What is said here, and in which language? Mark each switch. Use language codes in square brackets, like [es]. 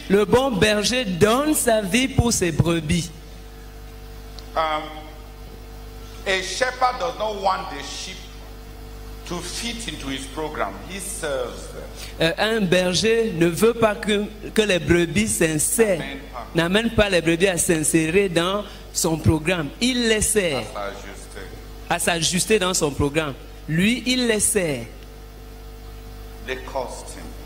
[fr] Le bon berger donne sa vie pour ses brebis. [en] A shepherd does not want the sheep to fit into his program. He serves them. [fr] Un berger ne veut pas que les brebis s'insèrent, n'amène pas les brebis à s'insérer dans son programme. Il les sert à s'ajuster dans son programme. Lui, il les sert. [en] They cost him.